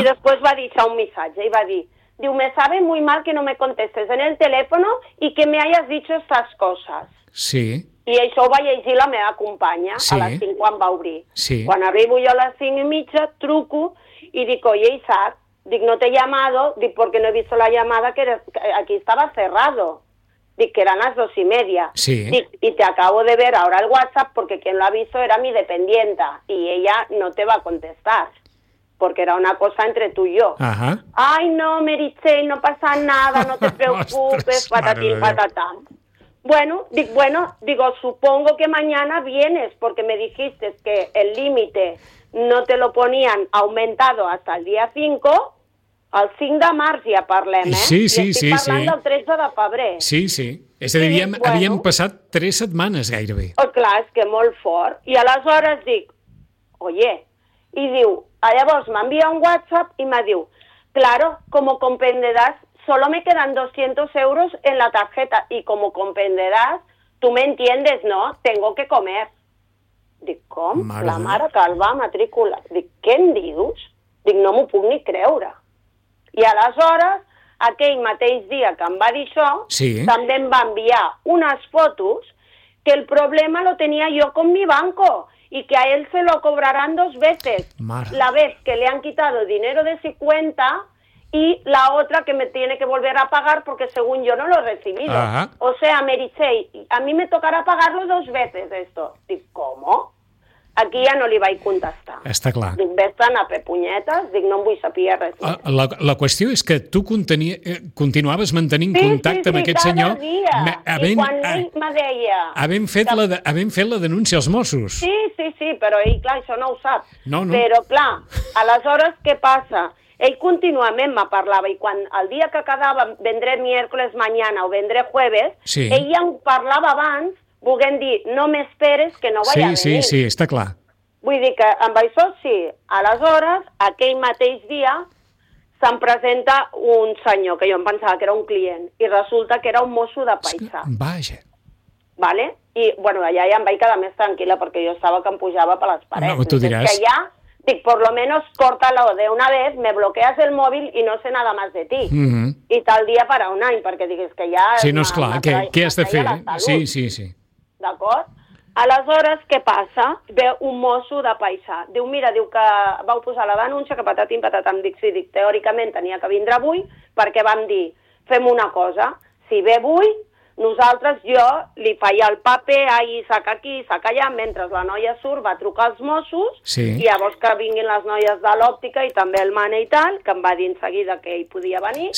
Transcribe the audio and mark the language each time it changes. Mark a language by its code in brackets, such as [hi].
[ca] I després va deixar un missatge i va dir, diu, [es] me sabe muy mal que no me contestes en el teléfono y que me hayas dicho estas cosas. [ca] Sí. I això ho va llegir la meva companya a les 5 quan va obrir. Sí. Quan arribo jo a les 5:30, truco i dic, [es] oye, Isaac, dic, no t'he llamado, dic, porque no he visto la llamada, que aquí estaba cerrado. Dic, que eran las 2:30. Sí. Dic, y te acabo de ver ahora el WhatsApp porque quien lo ha visto era mi dependienta y ella no te va a contestar porque era una cosa entre tú y yo. Ajá. Ay, no, Meritxell, no pasa nada, no te preocupes, ostres, patatín, patatán. Bueno, digo, supongo que mañana vienes porque me dijiste que el límite no te lo ponían aumentado hasta el día 5. [ca] El 5 de març ja parlem, eh? Sí. Parlant del 13 de febrer. Sí, sí. És a dir, havíem passat 3 setmanes gairebé. Oh, clar, és que molt fort. I aleshores dic, oye, i diu, llavors m'envia un WhatsApp [es] i me diu, claro, como comprenderás, solo me quedan 200 euros en la tarjeta y como comprenderás, tú me entiendes, ¿no? Tengo que comer. [ca] Dic, com? Mare la de... mare que el va matricular. Dic, què en dius? Dic, no m'ho puc ni creure. I aleshores, aquell mateix dia que em va dir això, també em va enviar unes fotos que el problema lo tenia jo [es] con mi banco i que a ell se lo cobraran dos veces. [ca] Mare. [es] La vez que le han quitado dinero de su cuenta y la otra que me tiene que volver a pagar porque según yo no lo he recibido. Uh-huh. O sea, Meritxell, a mí me tocará pagarlo dos veces esto. [ca] Dic, ¿cómo? Aquí ja no li vaig contestar. Està clar. Dic, vés-te'n a fer punyetes, dic, no em vull saber res. La qüestió és que tu continuaves mantenint contacte amb aquest senyor. Sí, sí, cada dia. Havent fet la denúncia als Mossos. Sí, però ell, clar, això no ho sap. No. Però, clar, aleshores, què passa? Ell contínuament me parlava i quan el dia que quedava [es] vendré miércoles mañana o vendré jueves, [ca] ell ja em parlava abans, puguem dir, no m'esperes que [es] no vaya a venir. [ca] Sí, està clar. Vull dir que amb això, sí. Aleshores, aquell mateix dia, se'm presenta un senyor, que jo em pensava que era un client, i resulta que era un mosso de paisà. Vaja. Vale? I, bueno, allà ja em vaig quedar més tranquil·la, perquè jo estava que em pujava per les parets. No, tu diràs. [es] És que ja, dic, por lo menos, córtalo de una vez, me bloqueas el mòbil i no sé nada más de ti. Mm-hmm. [ca] I tal dia para un any, perquè digues que ja... Sí, no, és clar, què has de fer? Sí. D'acord? Aleshores, què passa? Ve un mosso de paisà. Diu, mira, diu que vau posar la denúncia, que patatim, patatam, dic, sí, dic, teòricament tenia que vindre avui, perquè vam dir, fem una cosa, si ve avui, nosaltres, jo, li faia el paper, ahir, saca aquí, saca allà, mentre la noia surt, va trucar als Mossos, i llavors que vinguin les noies de l'òptica i també el mane i tal, que em va dir en seguida que ell podia venir.